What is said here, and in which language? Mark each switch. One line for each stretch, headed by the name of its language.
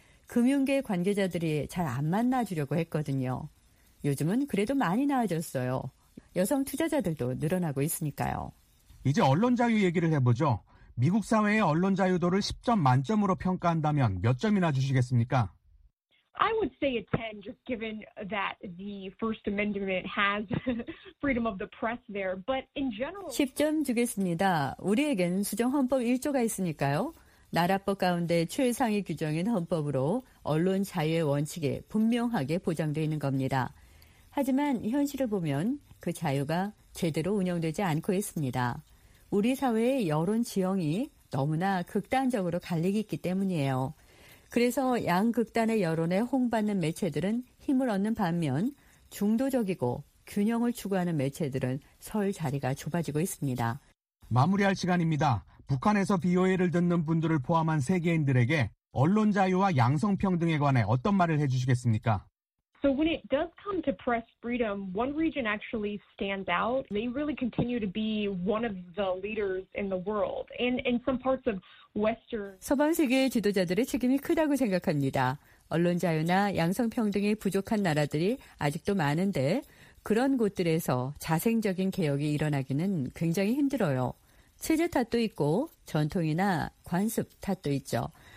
Korean: 금융계 관계자들이 잘 안 만나주려고 했거든요. 요즘은 그래도 많이 나아졌어요. 여성 투자자들도 늘어나고 있으니까요. 이제 언론 자유 얘기를 해보죠. 미국 사회의 언론 자유도를 10점 만점으로 평가한다면 몇 점이나 주시겠습니까?
English: I would say a 10 just given that the First Amendment has freedom of the press there, but in general
Korean: 10점 주겠습니다. 우리에겐 수정 헌법 1조가 있으니까요. 나라법 가운데 최상위 규정인 헌법으로 언론 자유의 원칙에 분명하게 보장되어 있는 겁니다. 하지만 현실을 보면 그 자유가 제대로 운영되지 않고 있습니다. 우리 사회의 여론 지형이 너무나 극단적으로 갈리기 있기 때문이에요. 그래서 양극단의 여론에 홍받는 매체들은 힘을 얻는 반면 중도적이고 균형을 추구하는 매체들은 설 자리가 좁아지고 있습니다. 마무리할 시간입니다. 북한에서 BOA를 듣는 분들을 포함한 세계인들에게 언론 자유와 양성평등에 관해 어떤 말을 해주시겠습니까?
English: So when it does come to press freedom, one region actually stands out. They really continue to be one of the leaders in the world. And in some parts of Western
Korean: 서방 세계의 지도자들의 책임이 크다고 생각합니다. 언론 자유나 양성평등이 부족한 나라들이 아직도 많은데 그런 곳들에서 자생적인 개혁이 일어나기는 굉장히 힘들어요. 체제 탓도 있고 전통이나 관습 탓도 있죠.